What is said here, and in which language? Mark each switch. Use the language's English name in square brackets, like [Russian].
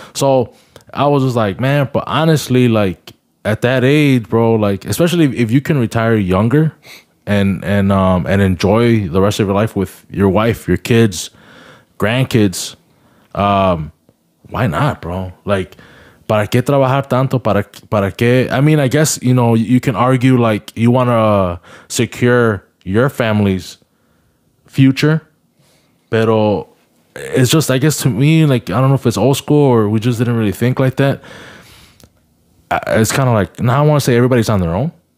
[English] So I was just like, man, but honestly, like, at that age, bro, like, especially if you can retire younger and enjoy the rest of your life with your wife, your kids, grandkids, why not, bro? [Spanish] Like, ¿para qué trabajar tanto? ¿Para qué? [English] I mean, I guess, you know, you can argue, like, you want to secure your family's future, pero it's just, I guess, to me, like, I don't know if it's old school or we just didn't really think like that. It's kind of like, now I want to say everybody's on their own.